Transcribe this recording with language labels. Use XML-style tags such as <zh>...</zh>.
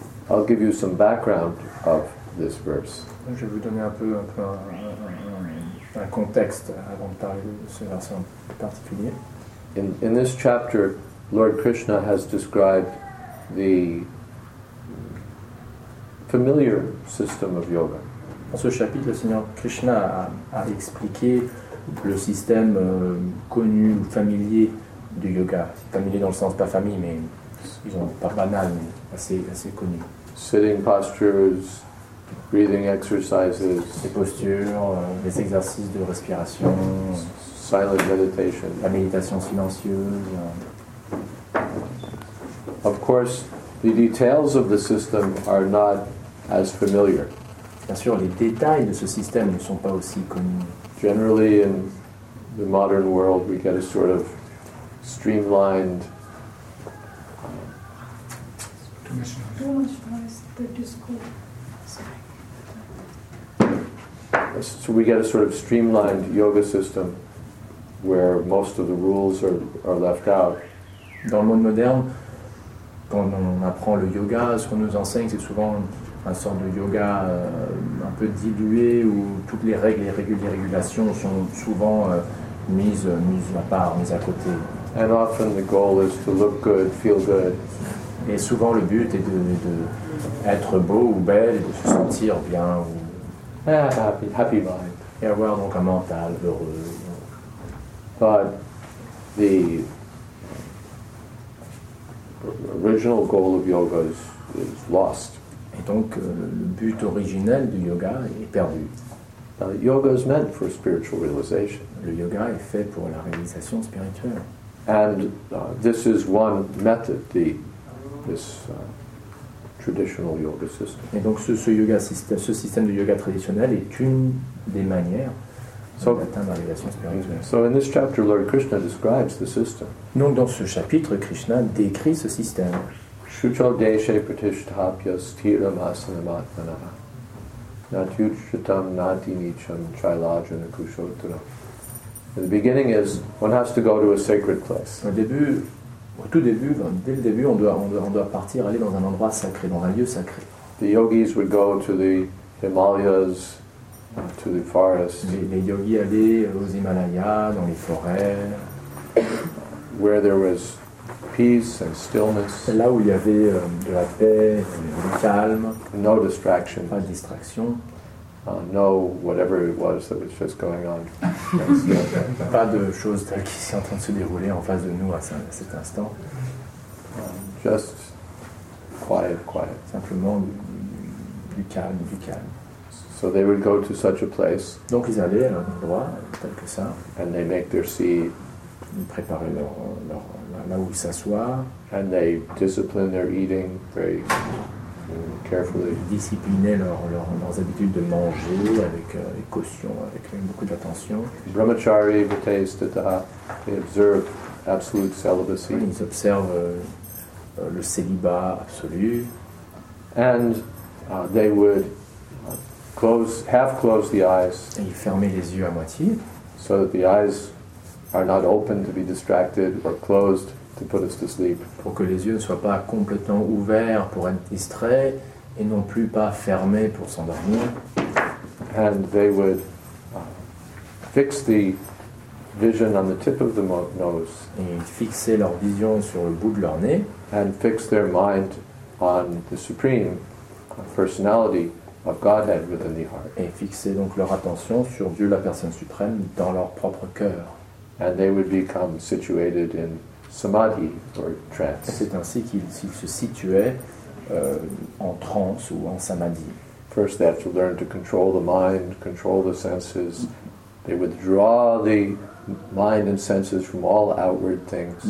<en>I'll give you some background of this verse.</en> <fr>Je vais vous donner un contexte avant de parler de ce verset particulier.</fr> <en>In this chapter, Lord Krishna has described the familiar system of yoga.</en> <fr>Dans ce chapitre, le Seigneur Krishna a expliqué le système connu ou familier du yoga. C'est familier dans le sens pas famille, mais ils ont pas banal, mais assez connu.</fr> <en>Sitting postures, breathing exercises,</en> <fr>les postures, les exercices de respiration,</fr> <en>silent meditation,</en> <fr>la méditation silencieuse.</fr> <en>Of course, the details of the system are not as familiar.</en> <fr>Bien sûr, les détails de ce système ne sont pas aussi connus.</fr> <en>Generally, in the modern world, we get a sort of streamlined. So we get a sort of streamlined yoga system where most of the rules are left out.</en> <fr>Dans le monde moderne, quand on apprend le yoga, ce qu'on nous enseigne, c'est souvent un sort de yoga un peu dilué où toutes les règles et les régulations sont souvent mises à part, mises à côté.</fr> <en>And often the goal is to look good, feel good.</en> <fr>Et souvent le but est de être beau ou belle, de se sentir bien ou</fr> <en>happy mind.</en> <fr>Et avoir donc un mental heureux.</fr> <en>But the original goal of yoga is lost.</en> <fr>Et donc le but originel du yoga est perdu.</fr> <en>Yoga is meant for spiritual realization.</en> <fr>Le yoga est fait pour la réalisation spirituelle.</fr> <en>And this is one method, traditional yoga system.</en> <fr>Et donc ce système de yoga traditionnel est une des manières d'atteindre la réalisation spirituelle.</fr> <en>So in this chapter, Lord Krishna describes the system.</en> <fr>Donc dans ce chapitre, Krishna décrit ce système.</fr> <sa>Shucho deshe pratishthapya sthiram asanamatmanah natyuchitam natinicham trilajana kushotra.</sa> <en>The beginning is one has to go to a sacred place.</en> <fr>Au tout début, dès le début, on doit partir, aller dans un endroit sacré, dans un lieu sacré.</fr> <en>The yogis would go to the Himalayas to the forest.</en> <fr>Les yogis allaient aux Himalayas, dans les forêts.</fr> <en>Where there was peace and stillness.</en> <fr>Là où il y avait de la paix, du calme.</fr> <en>No distraction.</en> <fr>Pas de distraction.</fr> <en>No, whatever it was that was just going on.</en> <fr>Pas de choses telles qui sont en train de se dérouler en face de nous à cet instant.</fr> <en>Just quiet, quiet.</en> <fr>Simplement du calme, du calme.</fr> <en>So they would go to such a place.</en> <fr>Donc ils allaient à un endroit tel que ça.</fr> <en>And they make their seat.</en> <fr>Ils préparaient leur là où ils s'assoient.</fr> <en>And they discipline their eating very carefully.</en> <fr>Ils disciplinaient leurs habitudes de manger avec caution, avec beaucoup d'attention.</fr> <sa>Brahmachari, vritesthita,</sa> <en>they observe absolute celibacy.</en> <fr>Ils observent le célibat absolu.</fr> <en>And they would half close the eyes.</en> <fr>Et ils fermaient les yeux à moitié.</fr> <en>So that the eyes are not open to be distracted or closed to put us to sleep.</en> <fr>Pour que les yeux ne soient pas complètement ouverts pour être distraits et non plus pas fermés pour s'endormir.</fr> <en>And they would fix the vision on the tip of the nose.</en> <fr>Et ils fixaient leur vision sur le bout de leur nez.</fr> <en>And fix their mind on the supreme personality of Godhead within the heart.</en> <fr>Et fixaient donc leur attention sur Dieu la personne suprême dans leur propre cœur.</fr> <en>And they would become situated in samadhi or trance.</en> <fr>Et c'est ainsi qu'ils se situaient en transe ou en samadhi.</fr> <en>First, they have to learn to control the mind, control the senses. They withdraw the mind and senses from all outward things.</en>